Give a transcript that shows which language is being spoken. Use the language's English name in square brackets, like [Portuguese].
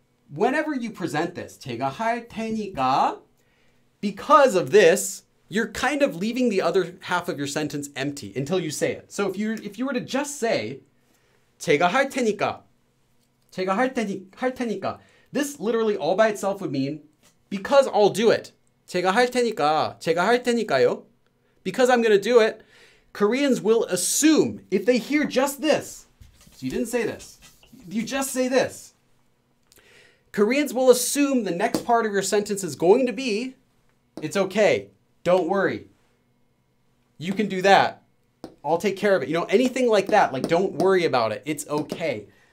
[English] Whenever you present this, [Korean] 제가 할 테니까, [English] because of this, you're kind of leaving the other half of your sentence empty until you say it. So if you were to just say, [Korean] 제가 할 테니까, 제가 할 테니까, [English] this literally all by itself would mean, because I'll do it. [Korean] 제가 할 테니까, 제가 할 테니까요. [English] Because I'm gonna do it, Koreans will assume, if they hear just this, so you didn't say this, you just say this. Koreans will assume the next part of your sentence is going to be, it's okay. Don't worry, you can do that. I'll take care of it. You know, anything like that, like don't worry about it, it's okay.